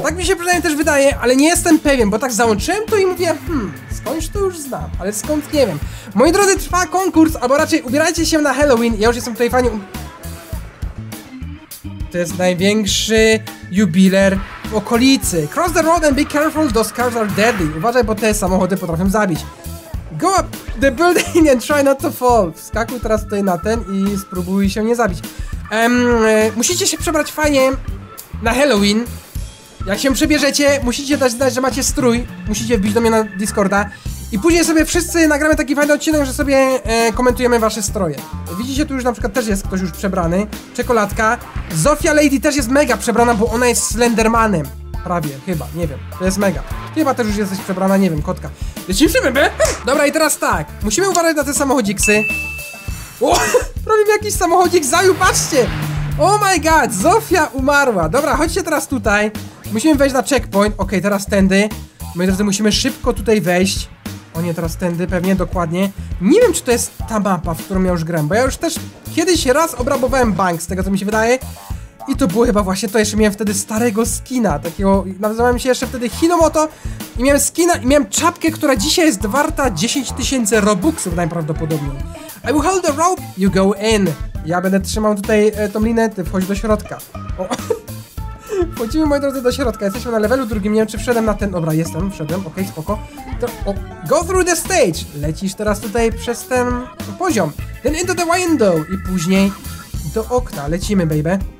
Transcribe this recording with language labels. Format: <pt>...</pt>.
<pl>Tak mi się przynajmniej też wydaje, ale nie jestem pewien, bo tak załączyłem to i mówię, skądś to już znam, ale skąd nie wiem. Moi drodzy, trwa konkurs, albo raczej ubierajcie się na Halloween, ja już jestem tutaj fanią. To jest największy jubiler w okolicy.</pl> <en>Cross the road and be careful, those cars are deadly.</en> <pl>Uważaj, bo te samochody potrafią zabić.</pl> <en>Go up the building and try not to fall.</en> <pl>Wskakuj teraz tutaj na ten i spróbuj się nie zabić. Musicie się przebrać fajnie na Halloween. Jak się przebierzecie, musicie dać znać, że macie strój. Musicie wbić do mnie na Discorda. I później sobie wszyscy nagramy taki fajny odcinek, że sobie komentujemy wasze stroje. Widzicie, tu już na przykład też jest ktoś już przebrany. Czekoladka. Zofia Lady też jest mega przebrana, bo ona jest Slendermanem. Prawie, chyba, nie wiem. To jest mega. Chyba też już jesteś przebrana, nie wiem, kotka. Lecimy, be? Dobra, i teraz tak. Musimy uważać na te samochodziksy. O, prawie mi jakiś samochodzik zajął, patrzcie!</pl> <en>Oh my god,</en> <pl>Zofia umarła. Dobra, chodźcie teraz tutaj. Musimy wejść na checkpoint. Okej, teraz tędy. Moi drodzy, musimy szybko tutaj wejść. O nie, teraz tędy, pewnie, dokładnie. Nie wiem, czy to jest ta mapa, w którą ja już grałem, bo ja już też kiedyś raz obrabowałem bank, z tego co mi się wydaje. I to było chyba właśnie to, jeszcze miałem wtedy starego skina, takiego, nazywałem się jeszcze wtedy Hinomoto. I miałem skina, i miałem czapkę, która dzisiaj jest warta 10 tysięcy robuxów najprawdopodobniej.</pl> <en>I will hold the rope, you go in.</en> <pl>Ja będę trzymał tutaj tą linę, ty wchodź do środka. O. Wchodzimy, moi drodzy, do środka, jesteśmy na levelu drugim, nie wiem, czy wszedłem na ten, dobra, jestem, wszedłem, okej, spoko. To, o,</pl> <en>go through the stage,</en> <pl>lecisz teraz tutaj przez ten poziom,</pl> <en>then into the window</en> <pl>i później do okna, lecimy, baby.</pl>